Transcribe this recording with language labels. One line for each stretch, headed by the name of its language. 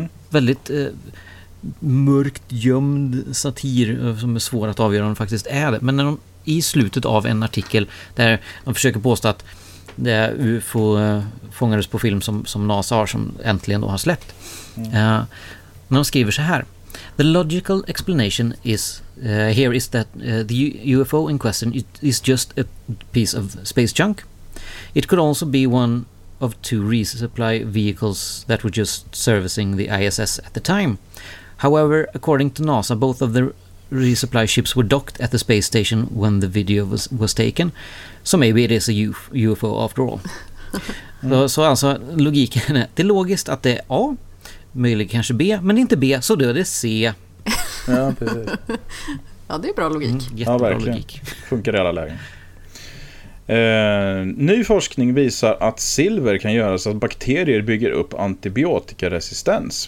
Swedish: Väldigt mörkt, gömd satir som är svår att avgöra om det faktiskt är det. Men när de, i slutet av en artikel där de försöker påstå att det är UFO fångades på film som NASA har, som äntligen då har släppt. När de skriver så här:
English: "The logical explanation is here is that the UFO in question is just a piece of space junk. It could also be one of two resupply vehicles that were just servicing the ISS at the time. However, according to NASA, both of the resupply ships were docked at the space station when the video was taken. So maybe it is a UFO after all."
Swedish: Så alltså logiken är, det är logiskt att det är A, möjligt kanske B, men inte B, så då är det C. Ja, precis. Ja, det är bra logik. Jättebra logik. Funkar i alla lägen. Ny forskning visar att silver kan göra så att bakterier bygger upp antibiotikaresistens.